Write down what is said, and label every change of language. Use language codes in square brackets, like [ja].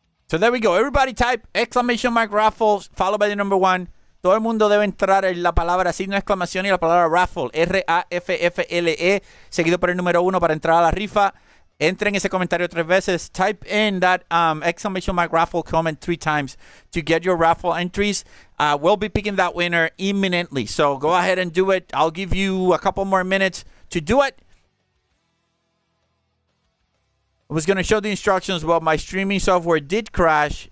[en] So there we go. Everybody type !! raffle followed by the number 1. [es] Todo el mundo debe entrar en la palabra signo exclamación y la palabra raffle. RAFFLE. Seguido por el número 1 para entrar a la rifa. Entra en ese comentario 3 veces. [en] Type in that !! raffle comment 3 times to get your raffle entries. We'll be picking that winner imminently. So go ahead and do it. I'll give you a couple more minutes to do it. I was going to show the instructions, but my streaming software did crash.